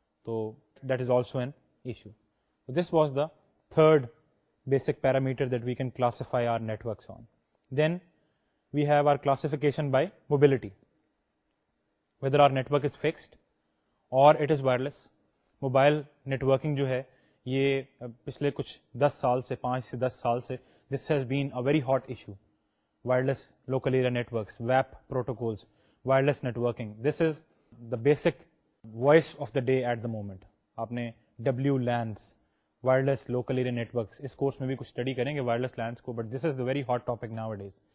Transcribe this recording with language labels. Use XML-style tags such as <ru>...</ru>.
<en>So that is also an issue. So this was the third basic parameter that we can classify our networks on. Then we have our classification by mobility. Whether our network is fixed or it is wireless.</en> <ur>Mobile networking جو ہے یہ پچھلے کچھ دس سال سے, پانچ سے دس سال سے,</ur> <en>This has been a very hot issue. Wireless local area networks, weep protocols, wireless networking, this is the basic voice of the day at the moment.</en> <ur>آپ نے W lens, wireless local area networks, اس course میں بھی کچھ study کریں گے wireless LANs کو,</ur> <en>But this is the very hot topic nowadays.</en>